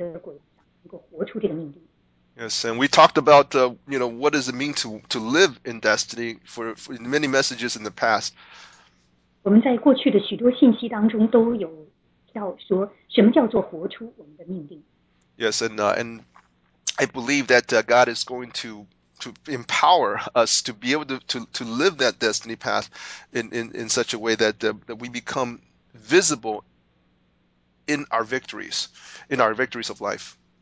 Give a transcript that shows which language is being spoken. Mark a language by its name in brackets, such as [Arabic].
[Chinese] 所以呢，牧人的灵就能够带下这个恢复，也就是说，我们能够在回到我们命定的轨道，能够活出这个命定。 [English] Yes, and we talked about what does it mean to live in destiny for many messages in the past. [Chinese] 我们在过去的许多信息当中都有。 [English] Yes, and I believe that God is going to empower us to be able to live that destiny path in such a way that that we become visible in our victories, of life.